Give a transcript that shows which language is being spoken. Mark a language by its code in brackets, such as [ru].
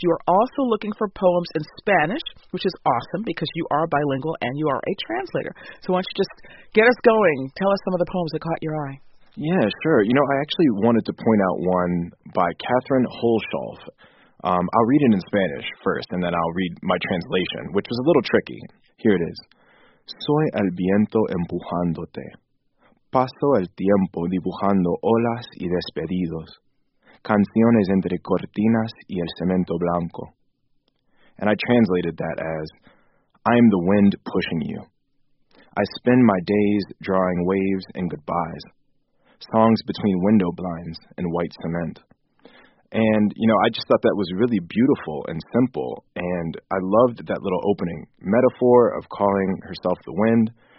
[en] You are also looking for poems in Spanish, which is awesome because you are bilingual and you are a translator. So why don't you just get us going. Tell us some of the poems that caught your eye. Yeah, sure. You know, I actually wanted to point out one by Catherine Holschulf. I'll read it in Spanish first, and then I'll read my translation, which was a little tricky. Here it is. [es] Soy el viento empujándote. Paso el tiempo dibujando olas y despedidos. Canciones entre cortinas y el cemento blanco. [en] And I translated that as, I am the wind pushing you. I spend my days drawing waves and goodbyes. Songs between window blinds and white cement. And, you know, I just thought that was really beautiful and simple, and I loved that little opening metaphor of calling herself the wind.